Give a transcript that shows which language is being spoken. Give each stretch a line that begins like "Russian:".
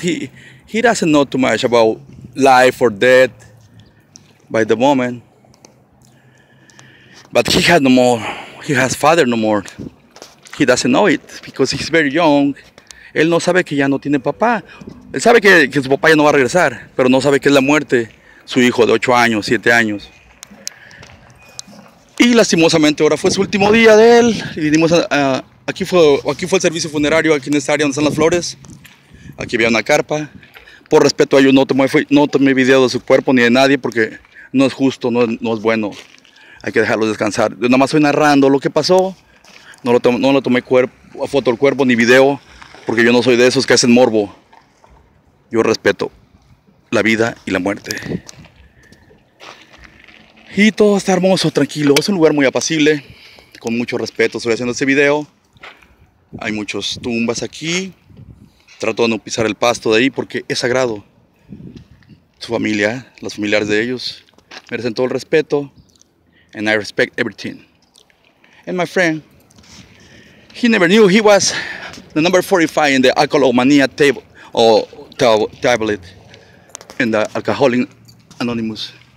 English: He doesn't know too much about life or death by the moment. But he has no more. He has father no more. He doesn't know it because he's very young.
Spanish: Él no sabe que ya no tiene papá. Él sabe que su papá ya no va a regresar, pero no sabe qué es la muerte. Su hijo de 8 años, 7 años. Y lastimosamente ahora fue su último día de él. Y vinimos a aquí fue el servicio funerario, aquí en esta área donde están las flores. Aquí había una carpa. Por respeto a ellos, no tomé video de su cuerpo ni de nadie porque no es justo, no es bueno. Hay que dejarlos descansar. Yo nada más estoy narrando lo que pasó. No lo tomé cuerpo, foto del cuerpo ni video, porque yo no soy de esos que hacen morbo. Yo respeto la vida y la muerte. Y todo está hermoso, tranquilo. Es un lugar muy apacible. Con mucho respeto estoy haciendo este video. Hay muchas tumbas aquí. Trato de no pisar el pasto de ahí porque es sagrado. Su familia, los familiares de ellos, merecen todo el respeto.
English: And I respect everything. And my friend, he never knew he was the number 45 in the alcoholomania table o tablet in the alcoholic anonymous.